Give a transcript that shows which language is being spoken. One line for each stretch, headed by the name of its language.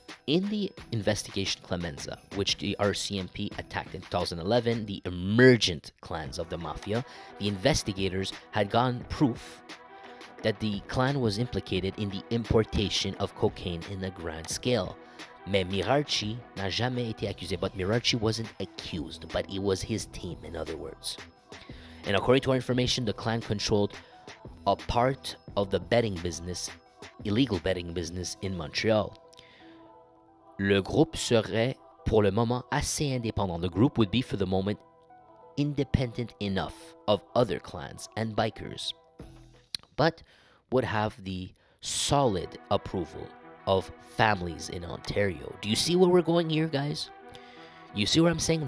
English: In the investigation Clemenza, which the RCMP attacked in 2011, the emergent clans of the Mafia, the investigators had gotten proof that the clan was implicated in the importation of cocaine in a grand scale.
French: Mais Miracci n'a jamais été accusé,
English: but Miracci wasn't accused, but it was his team, in other words. And according to our information, the clan controlled a part of the betting business, illegal betting business in Montreal.
French: Le groupe serait pour le moment assez indépendant.
English: The group would be for the moment independent enough of other clans and bikers, but would have the solid approval of families in Ontario. Do you see where we're going here, guys? You see what I'm saying?